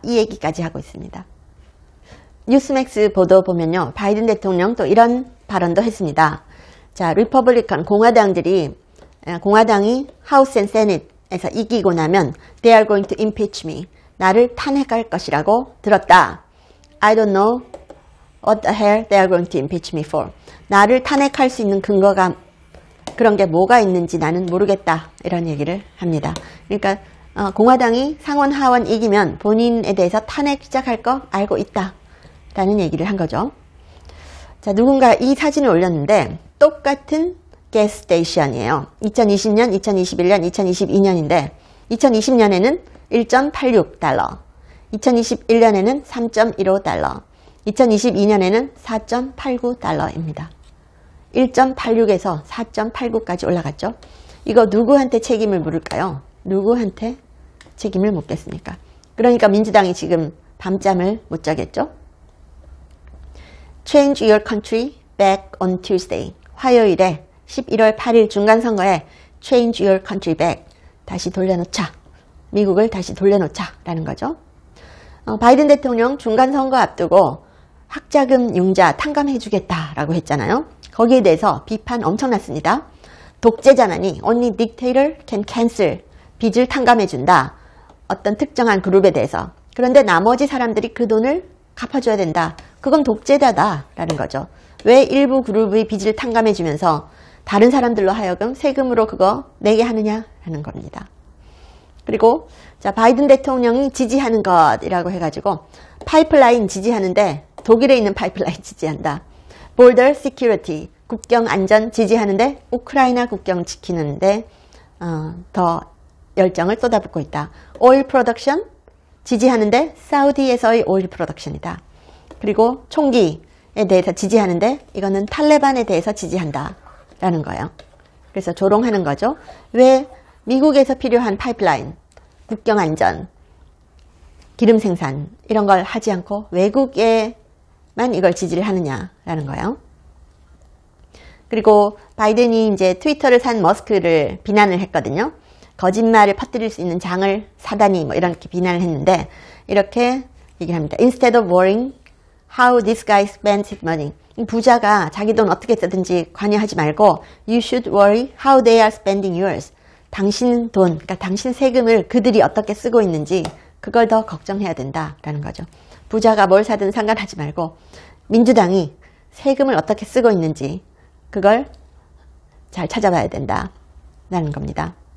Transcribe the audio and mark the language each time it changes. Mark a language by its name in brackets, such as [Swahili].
[Korean] 이 얘기까지 하고 있습니다. 뉴스맥스 보도 보면요. 바이든 대통령 또 이런 발언도 했습니다. 자, 리퍼블리칸 공화당이 하우스 앤 세넷에서 이기고 나면 [English] they are going to impeach me. [Korean] 나를 탄핵할 것이라고 들었다. [English] I don't know what the hell they are going to impeach me for. [Korean] 나를 탄핵할 수 있는 근거가 그런 게 뭐가 있는지 나는 모르겠다. 이런 얘기를 합니다. 그러니까 공화당이 상원 하원 이기면 본인에 대해서 탄핵 시작할 거 알고 있다. 라는 얘기를 한 거죠. 자, 누군가 이 사진을 올렸는데 똑같은 게스 스테이션이에요. 2020년, 2021년, 2022년인데 2020년에는 $1.86. 2021년에는 $3.15, 2022년에는 $4.89입니다. 1.86에서 4.89까지 올라갔죠. 이거 누구한테 책임을 물을까요? 누구한테 책임을 묻겠습니까? 그러니까 민주당이 지금 밤잠을 못 자겠죠. [English] Change your country back on Tuesday. [Korean] 화요일에 11월 8일 중간선거에 [English] Change your country back. [Korean] 다시 돌려놓자. 미국을 다시 돌려놓자라는 거죠. 바이든 대통령 중간선거 앞두고 학자금 융자 탕감해주겠다라고 했잖아요. 거기에 대해서 비판 엄청났습니다. 독재자만이 [English] only dictator can cancel [Korean] 빚을 탕감해준다. 어떤 특정한 그룹에 대해서. 그런데 나머지 사람들이 그 돈을 갚아줘야 된다. 그건 독재자다라는 거죠. 왜 일부 그룹의 빚을 탕감해주면서 다른 사람들로 하여금 세금으로 그거 내게 하느냐라는 겁니다. 그리고 자 바이든 대통령이 지지하는 것이라고 해가지고 파이프라인 지지하는데 독일에 있는 파이프라인 지지한다. border security, 국경 안전 지지하는데 우크라이나 국경 지키는데 더 열정을 쏟아붓고 있다. oil production, 지지하는데 사우디에서의 oil production이다. 그리고 총기에 대해서 지지하는데 이거는 탈레반에 대해서 지지한다 라는 거예요. 그래서 조롱하는 거죠. 왜 미국에서 필요한 파이프라인, 국경 안전, 기름 생산 이런 걸 하지 않고 외국에만 이걸 지지를 하느냐라는 거예요. 그리고 바이든이 이제 트위터를 산 머스크를 비난을 했거든요. 거짓말을 퍼뜨릴 수 있는 장을 사다니 뭐 이렇게 비난을 했는데 이렇게 얘기를 합니다. [English] Instead of worrying how this guy spends his money. [Korean] 부자가 자기 돈 어떻게 쓰든지 관여하지 말고 [English] You should worry how they are spending yours. [Korean] 당신 돈, 그러니까 당신 세금을 그들이 어떻게 쓰고 있는지 그걸 더 걱정해야 된다라는 거죠. 부자가 뭘 사든 상관하지 말고 민주당이 세금을 어떻게 쓰고 있는지 그걸 잘 찾아봐야 된다라는 겁니다.